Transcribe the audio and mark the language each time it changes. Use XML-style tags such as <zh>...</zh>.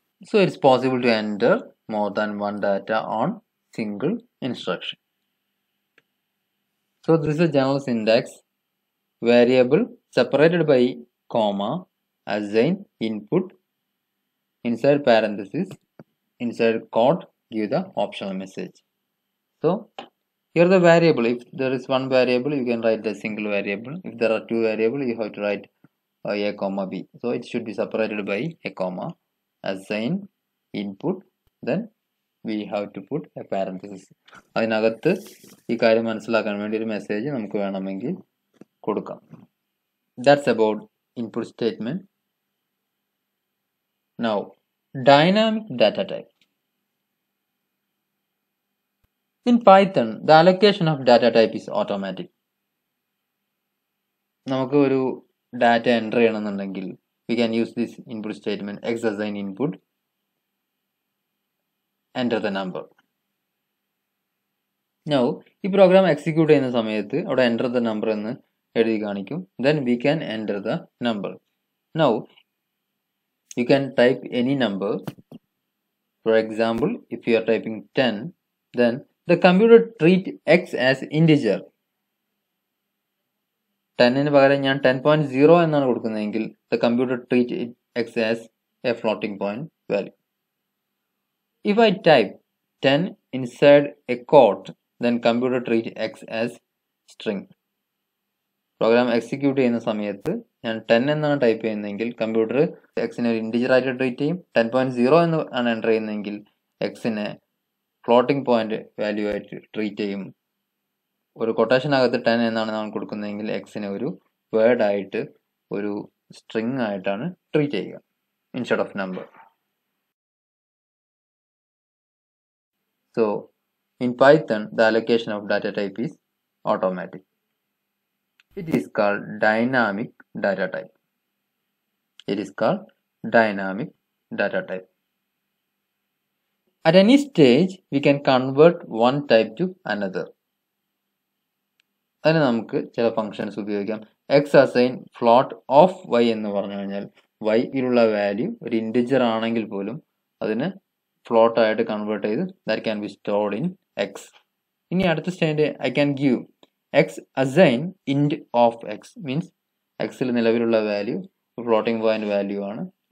<en>So it's possible to enter more than one data on single instruction. So this is a general syntax. Variable separated by comma, assign input inside parenthesis inside code give the optional message. So here the variable, if there is one variable you can write the single variable, if there are two variable you have to write a comma b. So it should be separated by a comma. Assign input, then we have to put a parenthesis.</en> <ml>അതിനകത്ത് ഈ കാര്യം മനസ്സിലാക്കാൻ വേണ്ടി ഒരു message നമുക്ക് വേണമെങ്കിൽ കൊടുക്കാം.</ml> <en>That's about input statement. Now dynamic data type. In Python, the allocation of data type is automatic.</en> <ml>നമുക്ക് ഒരു ഡാറ്റ എൻ്റർ ചെയ്യണമെന്നുണ്ടെങ്കിൽ</ml> <en>We can use this input statement x assign input enter the number.</en> <ml>Now ഈ program execute ചെയ്യുന്ന സമയത്ത് അവിടെ</ml> <en>enter the number</en> <ml>എന്ന് എഴുതി കാണിക്കും.</ml> <en>Then we can enter the number. Now you can type any number. For example, if you are typing 10, then the computer treat x as integer.</en> <ml>10 ന് പകരം ഞാൻ 10.0 എന്നാണ് കൊടുക്കുന്നതെങ്കിൽ</ml> <en>the computer treat x as a floating point value. If I type 10 inside a quote, then computer treat x as string.</en> <ml>Program execute ചെയ്യുന്ന സമയത്ത് ഞാൻ 10 എന്നാണ് type ചെയ്യുന്നതെങ്കിൽ computer എക്സിനെ ഒരു ഇൻറ്റിജർ ആയിട്ട് ട്രീറ്റ് ചെയ്യും. 10.0 എന്ന് ആണ് എൻ്റർ ചെയ്യുന്നതെങ്കിൽ എക്സിനെ ഫ്ലോട്ടിംഗ് പോയിന്റ് വാല്യൂ ആയിട്ട് ട്രീറ്റ് ചെയ്യും. ഒരു കൊട്ടേഷനകത്ത് 10 എന്നാണ് നമ്മൾ കൊടുക്കുന്നതെങ്കിൽ എക്സിനെ ഒരു വേർഡായിട്ട് ഒരു സ്ട്രിങ് ആയിട്ടാണ് ട്രീറ്റ് ചെയ്യുക</ml> <en>Instead of number. So in Python the allocation of data type is automatic. It is called dynamic data type. It is called dynamic data type. At any stage, we can convert one type to another.</en> <ml>അതിന് നമുക്ക് ചില functions ഉപയോഗിക്കാം. X assign float of Y എന്ന് പറഞ്ഞു കഴിഞ്ഞാൽ വൈയിലുള്ള value ഒരു integer ആണെങ്കിൽ പോലും അതിന് ഫ്ലോട്ട് ആയിട്ട് കൺവേർട്ട് ചെയ്ത്</ml> <en>That can be stored in x.</en> <ml>ഇനി അടുത്ത state</ml> <en>I can give x assign int of x,</en> <ml>മീൻസ് എക്സിൽ നിലവിലുള്ള വാല്യൂ ഫ്ലോട്ടിംഗ് പോയിന്റ് വാല്യൂ ആണ്.</ml>